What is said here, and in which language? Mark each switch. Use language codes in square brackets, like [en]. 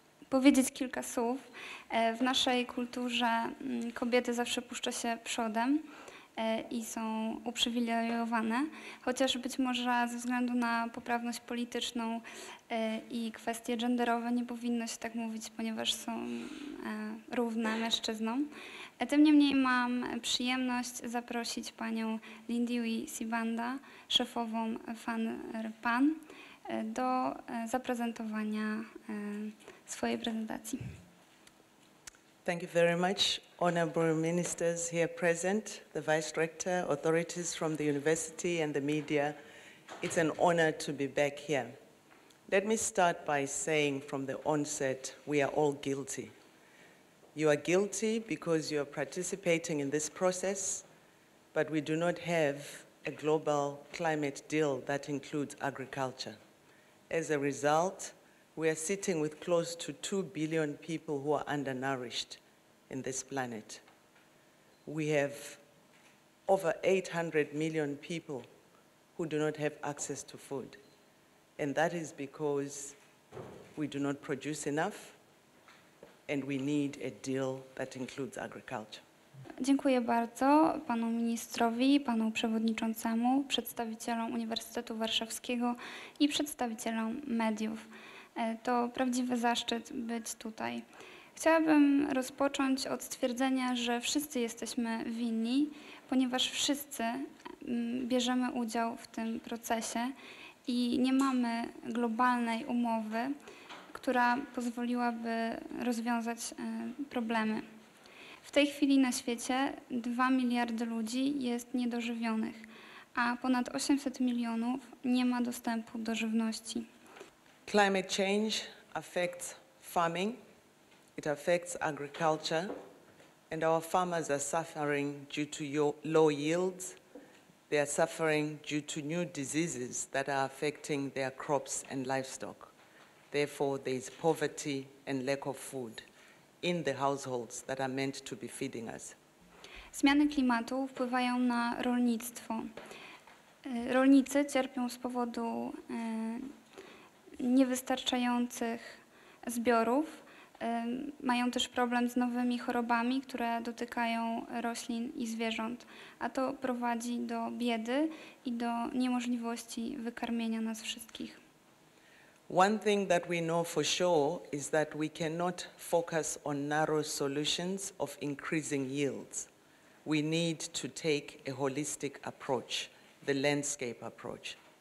[pl] Powiedzieć kilka słów. W naszej kulturze kobiety zawsze puszcza się przodem i są uprzywilejowane, chociaż być może ze względu na poprawność polityczną i kwestie genderowe nie powinno się tak mówić, ponieważ są równe mężczyznom. Tym niemniej mam przyjemność zaprosić panią Lindiwe Sibanda, szefową FANRPAN, do zaprezentowania swojej prezentacji. [en] Thank you very much, honorable ministers here present, the vice rector, authorities from the university and the media. It's an honor to be back here. Let me start by saying from the onset, we are all guilty. You are guilty because you are participating in this process, but we do not have a global climate deal that includes agriculture. As a result, We are sitting with close to 2 billion people who are undernourished in this planet. We have over 800 million people who do not have access to food. And that is because we do not produce enough, and we need a deal that includes agriculture. [pl] Dziękuję bardzo panu ministrowi, panu przewodniczącemu, przedstawicielom Uniwersytetu Warszawskiego i przedstawicielom mediów. To prawdziwy zaszczyt być tutaj. Chciałabym rozpocząć od stwierdzenia, że wszyscy jesteśmy winni, ponieważ wszyscy bierzemy udział w tym procesie i nie mamy globalnej umowy, która pozwoliłaby rozwiązać problemy. W tej chwili na świecie 2 miliardy ludzi jest niedożywionych, a ponad 800 milionów nie ma dostępu do żywności. [en] Climate change affects farming, it affects agriculture, and our farmers are suffering due to low yields. They are suffering due to new diseases that are affecting their crops and livestock. Therefore, there is poverty and lack of food in the households that are meant to be feeding us. [pl] Zmiany klimatu wpływają na rolnictwo. Rolnicy cierpią z powodu niewystarczających zbiorów. Mają też problem z nowymi chorobami, które dotykają roślin i zwierząt. A to prowadzi do biedy i do niemożliwości wykarmienia nas wszystkich. [en] One thing that we know for sure is that we cannot focus on narrow solutions of increasing yields. We need to take a holistic approach, the landscape approach.